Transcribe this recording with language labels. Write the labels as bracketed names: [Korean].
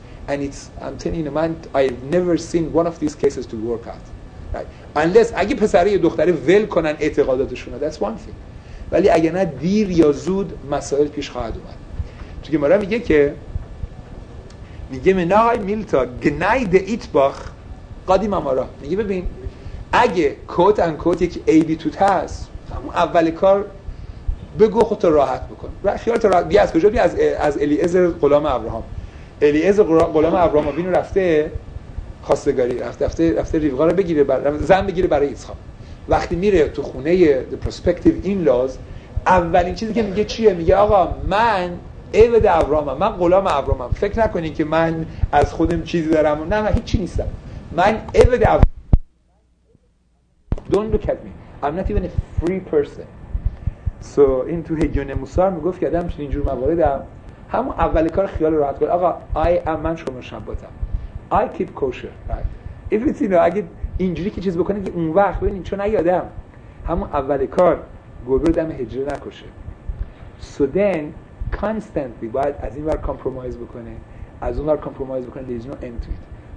[English] And it's, I'm telling you, man, I've never seen one of these cases to work out. Right? Unless, [Persian] اگه پسره یه دختره ول کنن اعتقاداتشون رو, [English] that's one thing. [Persian] ولی اگه نه دیر یا زود مسائل پیش خواهد اومد. چون گمارا میگه که, میگه [Aramaic] منای میلتا گناید ایتباخ قدیم امارا. [Persian] میگه ببین, اگه کوت ان کوت یک ای بی توت هست, همون اول کار بگو خودت راحت بکن. خیالت راحت, بیا از کجا بیا, از الیعزر غلام ابراهام. الیعزر غلام ابراهام اینو رفته خواستگاری, رفته ریوغا رو بگیره, زن بگیره برای ایسخا. وقتی میره تو خونه [English] the prospective in-laws, [Persian] اولین چیزی که میگه چیه؟ میگه آقا من عبد ابراهامم, من غلام ابراهامم, فکر نکنین که من از خودم چیزی دارم, نه من هیچی نیستم, من عبد ابراهامم. [English] Don't look at me, I'm not even a free person. So [Persian] این تو هگیون موسار میگفت که آدم اینجور مواردم همون اول کار خیال راحت کنه. آقا [English] I am, [Persian] من شما شباتم, [English] I keep kosher, right? If it's, you know, [Persian] اگه اینجوری که چیز بکنه که اون وقت ببینید, چون اگه آدم همون اول کار گربه رو دم حجره نکشه, [English] so then constantly [Persian] باید از این ور compromise بکنه, از اون ور compromise بکنه, [English] there is no end to it.